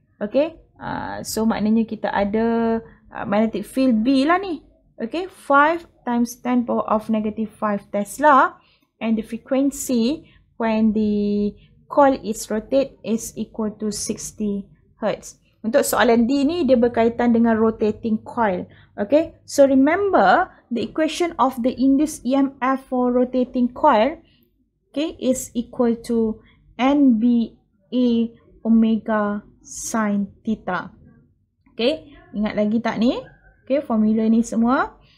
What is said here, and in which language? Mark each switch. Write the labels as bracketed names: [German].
[Malay] Okay, so maknanya kita ada magnetic field B lah ni. [English] Okay, 5 times 10 power of negative 5 Tesla and the frequency when the coil is rotate is equal to 60 Hertz. [Malay] Untuk soalan D ni, dia berkaitan dengan rotating coil. [English] Okay, so remember the equation of the induced EMF for rotating coil, okay, is equal to NBA omega sine theta. [Malay] Okay, ingat lagi tak ni? Okay, formula ni semua.